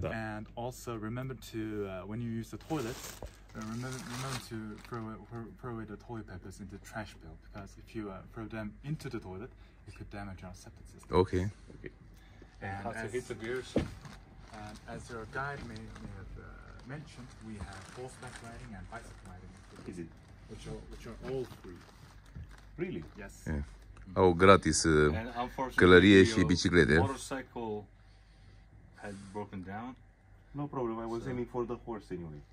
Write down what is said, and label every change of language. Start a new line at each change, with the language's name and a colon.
English: And also, remember to, when you use the toilet, remember to throw away the toilet papers in the trash bin, because if you throw them into the toilet, it could damage our septic system. Okay. And how to hit the gears. And as your guide may have mentioned, we have horseback riding and bicycle riding. Is it? Which are all free. Really? Yes. Yeah.
Romanian: Mm-hmm. Oh, gratis călărie și biciclete.
English: Motorcycle had broken down. No problem, I was aiming for the horse anyway.